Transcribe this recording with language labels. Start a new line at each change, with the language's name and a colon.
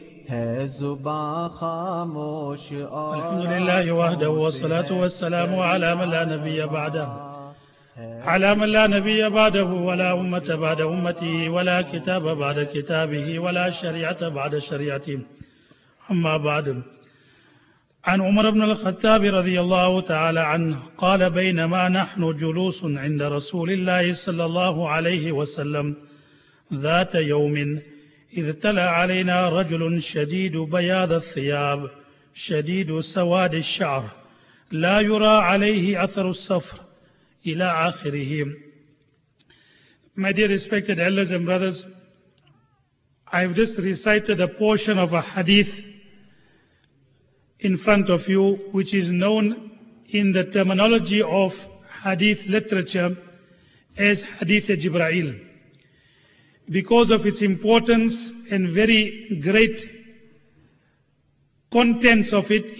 Urdu: ہے زباں خاموش اور
Arabic: الحمد للہ وحدہ والصلاۃ والسلام علی من لا نبی بعدہ, علی من لا نبی بعدہ, ولا امۃ بعد امتہ, ولا کتاب بعد کتابہ, ولا شریعۃ بعد شریعتہ, اما بعد. عن عمر بن الخطاب رضي الله تعالى عنه قال بينما نحن جلوس عند رسول الله صلى الله عليه وسلم ذات يوم إذ تلى علينا رجل شديد بياض الثياب شديد سواد الشعر لا يرى عليه أثر الصفر إلى آخره.
English: My dear respected elders and brothers, I've just recited a portion of a hadith in front of you, which is known in the terminology of hadith literature as Hadith Jibra'il, because of its importance and very great contents of it.